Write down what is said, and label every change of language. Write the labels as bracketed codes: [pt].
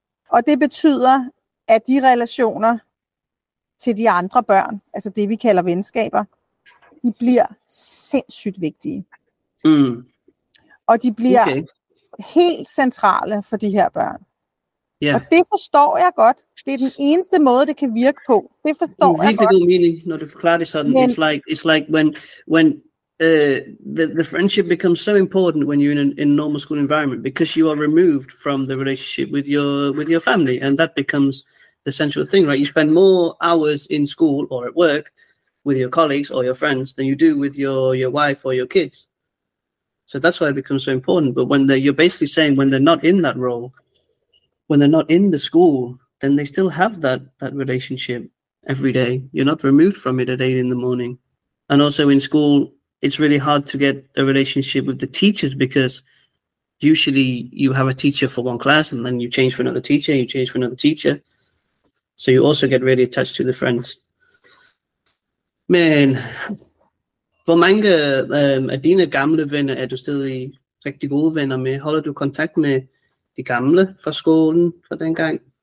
[da] Og det betyder, at de relationer til de andre børn, altså det vi kalder venskaber, de bliver sindssygt vigtige. Og de bliver helt centrale for de her børn. Og det forstår jeg godt. Det er den eneste måde, det kan virke på. Det forstår jeg godt. Det er virkelig god mening, når du forklarer det sådan. [en] Men, it's like when the friendship becomes so important when you're in a normal school environment, because you are removed from the relationship with your family, and that becomes the central thing, right? You spend more hours in school or at work with your colleagues or your friends than you do with your wife or your kids. So that's why it becomes so important. But when you're basically saying when they're not in that role, when they're not in the school, then they still have that relationship every day. You're not removed from it at 8 in the morning. And also in school, it's really hard to get a relationship with the teachers, because usually you have a teacher for one class and then you change for another teacher, you change for another teacher. So you also get really attached to the friends. [da] Men hvor mange af dine gamle venner er du stadig rigtig gode venner med? Holder du kontakt med de gamle fra skolen fra dengang?